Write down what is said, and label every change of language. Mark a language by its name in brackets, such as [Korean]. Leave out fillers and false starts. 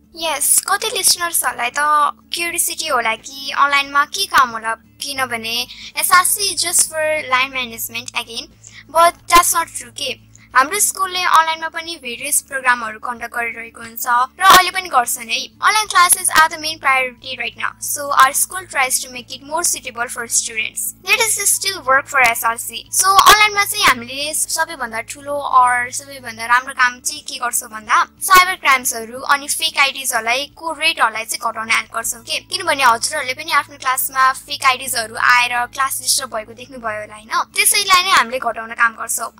[Nepali] यस, कति लिसनर्सहरूलाई त क्युरियोसिटी होला कि अनलाइनमा के काम होला, किनभने SRC just four line management again, [English] but that's not true [Nepali] के हाम्रो स्कुलले अनलाइनमा पनि भेरियस प्रोग्रामहरू कन्डक्ट गरिरहेको हुन्छ र अहिले पनि गर्छ नै। [English] Online classes are the main priority right now, so our school tries to make it more suitable for students, let us still work for SRC. [Nepali] So अनलाइनमा चाहिँ हामीले सबैभन्दा ठुलो अर सबैभन्दा राम्रो काम चाहिँ के गर्छौँ भन्दा साइबर क्राइम्सहरू अनि फेक आइडिजहरूलाई को रेटहरूलाई चाहिँ घटाउने हेल्प गर्छौँ के, किनभने हजुरहरूले पनि आफ्नो क्लासमा फेक आइडिजहरू आएर क्लास डिस्टर्ब भएको देख्नुभयो होला होइन, त्यसैलाई नै हामीले घटाउने काम गर्छौँ।